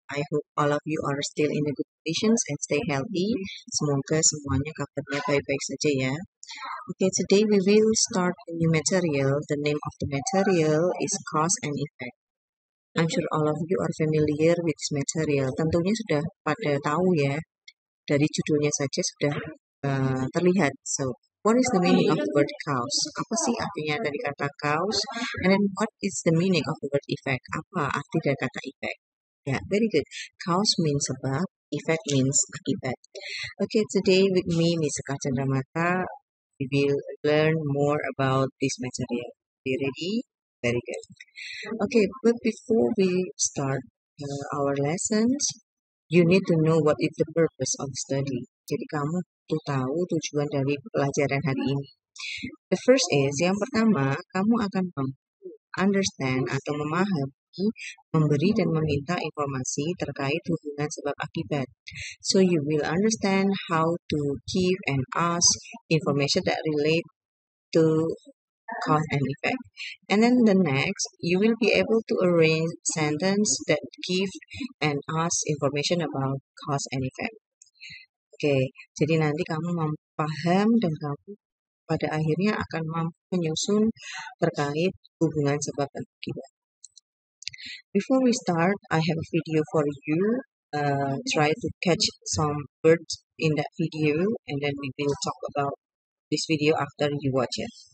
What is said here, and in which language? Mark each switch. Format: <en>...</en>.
<en>I hope all of you are still in a good condition and stay healthy.</en> <id>Semoga semuanya kabarnya baik-baik saja ya.</id> <en>Okay, today we will start a new material. The name of the material is cause and effect. I'm sure all of you are familiar with this material.</en> <id>Tentunya sudah pada tahu ya. Dari judulnya saja sudah terlihat.</id> <en>So, what is the meaning of the word cause?</en> <id>Apa sih artinya dari kata cause?</id> <en>And then what is the meaning of the word effect?</en> <id>Apa arti dari kata effect?</id> <en>Yeah, very good. Cause means sebab, effect means akibat. Okay, today with me, Miss Eka Chandramata, we will learn more about this material. Are you ready? Very good. Okay, but before we start our lessons, you need to know what is the purpose of study.</en> <id>Jadi kamu tahu tujuan dari pelajaran hari ini.</id> <en>The first is,</en> <id>yang pertama, kamu akan understand atau memahami, memberi dan meminta informasi terkait hubungan sebab akibat.</id> <en>So you will understand how to give and ask information that relate to cause and effect. And then the next, you will be able to arrange sentence that give and ask information about cause and effect.</en> <id>Oke, jadi nanti kamu paham dan kamu pada akhirnya akan mampu menyusun terkait hubungan sebab dan akibat.</id> <en>Before we start, I have a video for you. Try to catch some words in that video, and then we will talk about this video after you watch it.</en>